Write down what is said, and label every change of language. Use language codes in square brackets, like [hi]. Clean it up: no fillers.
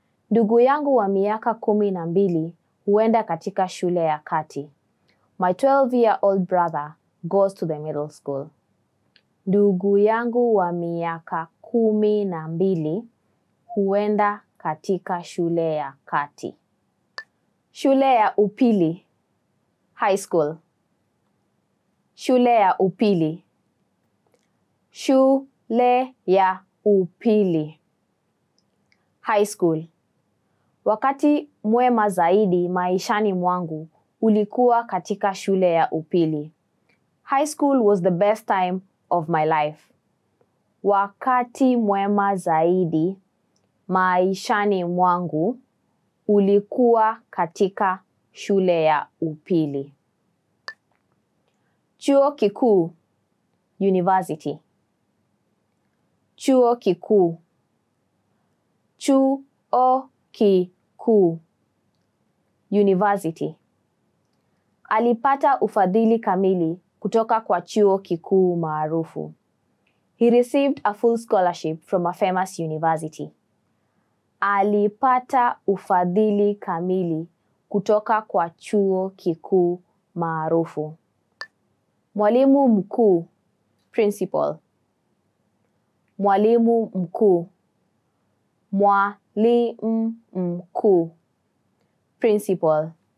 [sw] Ndugu yangu wa miaka 12 huenda katika shule ya kati. [en] My 12-year-old brother goes to the middle school. [sw] Ndugu yangu wa miaka 12 huenda katika shule ya kati. Shule ya upili, high school. Shule ya upili. Shule ya upili, high school. Wakati mwema zaidi maishani mwangu ulikuwa katika shule ya upili. [en] High school was the best time of my life. [sw] Wakati mwema zaidi maishani mwangu ulikuwa katika shule ya upili. Chuo kikuu, university. Chuo kikuu. Chuo kikuu, university. Alipata ufadhili kamili kutoka kwa chuo kikuu maarufu. [en] He received a full scholarship from a famous university. [sw] Alipata ufadhili kamili kutoka kwa chuo kikuu maarufu. Mwalimu mkuu, principal. Mwalimu mkuu. Mwalimu mkuu, principal.